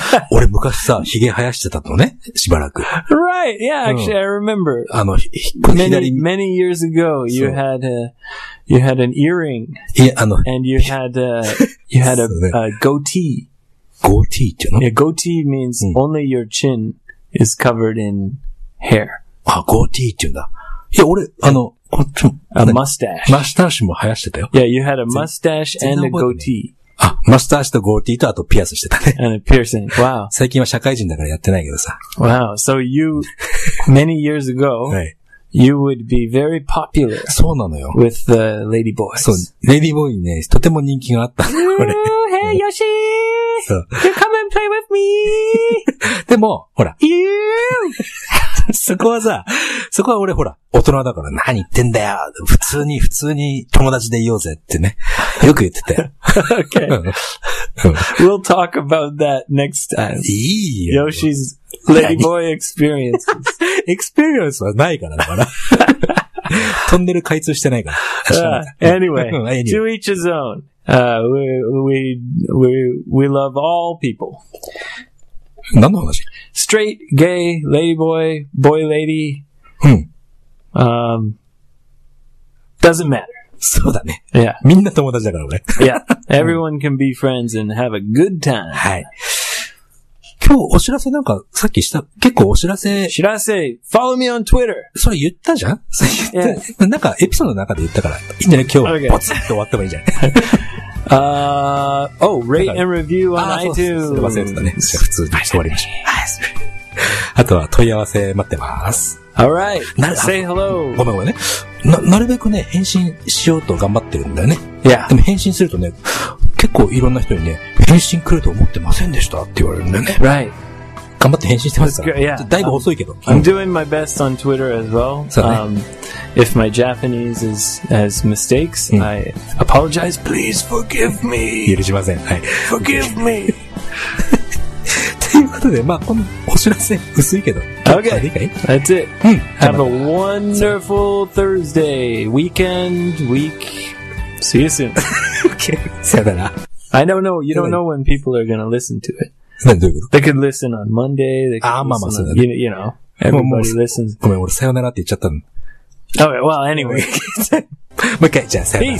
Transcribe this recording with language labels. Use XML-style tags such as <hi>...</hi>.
<ja>俺昔さ、ヒゲ生やしてたのね。しばらく。</ja> <en>Right. Yeah, actually, I remember.</en> <ja>あの、</ja> <en>Many years ago, you had a,You had an earring. Yeah, あの And you had a, a goatee.</en> <ja>Goatee っていうの?</ja> <en>Yeah, goatee means only your chin is covered in hair.</en> <ja>あ、goatee っていうんだ。いや、俺、あの、こっちも。</ja> <en>A mustache.</en> <ja>マスターシュも生やしてたよ。</ja> <en>Yeah, you had a mustache and a goatee.</en> <ja>あ、マスターシとゴールティーとあとピアスしてたね。</ja> <en>And a piercing. Wow.</en> <ja>最近は社会人だからやってないけどさ。</ja> <en>Wow. So you, many years ago, you would be very popular.</en> <ja>そうなのよ。</ja> <en>With the lady boys.</en> <ja>そう。レディーボーイにね、とても人気があった。</ja> <en>これ。Hey, Yoshi! You come and play with me!</en> <ja>でも、ほら。</ja> <en>You!</en> <ja>そこはさ、そこは俺ほら、大人だから何言ってんだよ。普通に、普通に友達でいようぜってね。よく言ってたよ。</ja> <en>Okay. We'll talk about that next time.</en> <ja>いいよ。</ja> <en>Yoshi's ladyboy experiences.</en> <ja>Experience はないからだから。トンネル開通してないから。</ja> <en>anyway, to each his own. We love all people.</en> <ja>何の話？</ja> <en>Straight, gay, ladyboy, boy, lady.</en> <ja>うん。</ja> <en>Doesn't matter.</en> <ja>そうだね。</ja> <en>Yeah.</en> <ja>みんな友達だから俺。</ja> <en>Yeah. Everyone can be friends and have a good time.</en> <ja>はい。今日お知らせなんかさっきした、結構お知らせ。</ja> <en>知らせ !Follow me on Twitter!</en> <ja>それ言ったじゃん？それ言った。Yeah. なんかエピソードの中で言ったから。いいんじゃない？今日、ポツンと終わってもいいじゃん。</ja> <en>rate and review on iTunes.</en> <ja>すいませんでしたね。普通に終わりましょう。あとは問い合わせ待ってます。</ja> <en>Alright. Say hello.</en> <ja>ごめんごめんね。なるべくね、返信しようと頑張ってるんだよね。いや。でも返信するとね、結構いろんな人にね、返信来ると思ってませんでしたって言われるんだよね。</ja> <en>Right.</en> <ja>頑張って返信してますから。</ja> <en>Yeah.</en> <ja>だいぶ遅いけど。</ja> <en>I'm doing my best on Twitter as well.</en> <ja>そうね。</ja> <en>If my Japanese is has mistakes,、うん、I apologize. Please forgive me.</en> <ja>許しません。はい。</ja> <en>Forgive me.</en> <ja>ということで、まあこのお知らせ薄いけど。</ja> <en>Okay. That's it.、</en> <ja>うん、</ja> <en>Have a wonderful Thursday weekend week. See you soon.</en> <ja>Okay. さよなら。</ja> <en>I don't know. You don't know when people are going to listen to it.</en> <ja>どういうこと？</ja> <en>They could listen on Monday. They could</en> <ja>まあまあそうだ</ja> <en>ね。You know. Everybody listens.</en> <ja>ごめん、俺さよならって言っちゃったの。</ja> <en>Okay, well, anyway.</en> <ja>もう一回、じゃあ、さよなら。</ja>